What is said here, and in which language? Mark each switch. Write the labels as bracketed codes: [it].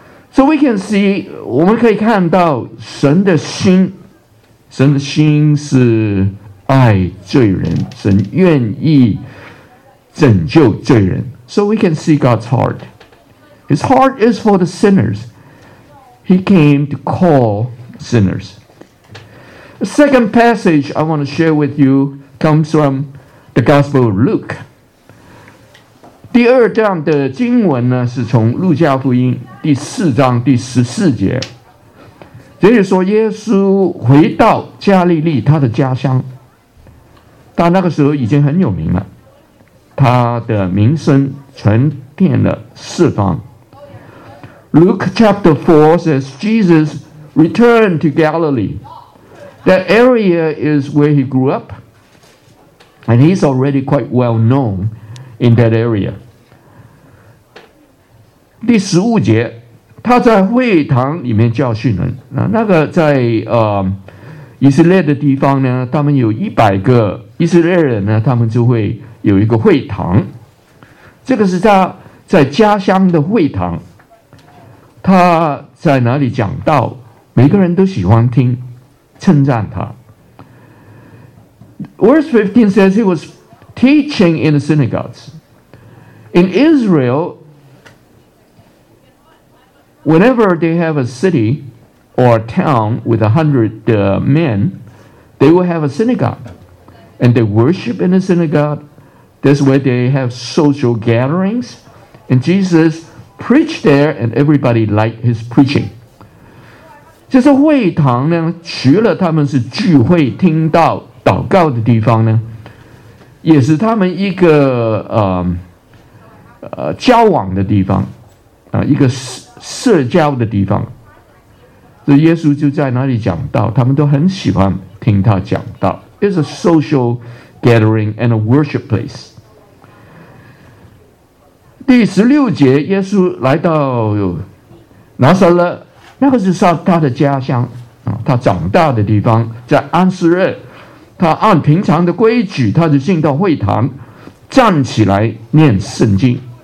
[en] So we can see, [zh] 我们可以看到神的心，神的心是爱罪人，神愿意拯救罪人。 [en] So we can see God's heart. His heart is for the sinners. He came to call sinners. The second passage I want to share with you comes from the Gospel of Luke. [zh] 第二章的经文呢，是从路加福音第四章第十四节。这里说耶稣回到加利利他的家乡，他那个时候已经很有名了，他的名声传遍了四方。 [en] Luke chapter 4 says Jesus returned to Galilee. That area is where he grew up, and he's already quite well known in that area. [zh] 第十五节，他在会堂里面教训人。那个在以色列的地方呢，他们有一百个以色列人呢，他们就会有一个会堂。这个是他在家乡的会堂，他在哪里讲道，每个人都喜欢听，称赞他。 [en] Verse 15 says he was teaching in the synagogues. In Israel, whenever they have a city or a town with 100 men, they will have a synagogue. And they worship in the synagogue. That's where they have social gatherings. And Jesus preached there, and everybody liked his preaching. [zh] 就是会堂呢，除了他们是聚会听到祷告的地方呢，也是他们一个交往的地方，一个社交的地方。所以耶稣就在那里讲道，他们都很喜欢听他讲道。 [en] It's a social gathering and a worship place. [zh] 第十六节，耶稣来到拿撒勒，那个是他的家乡，他长大的地方，在安斯勒。他按平常的规矩，他就进到会堂，站起来念圣经。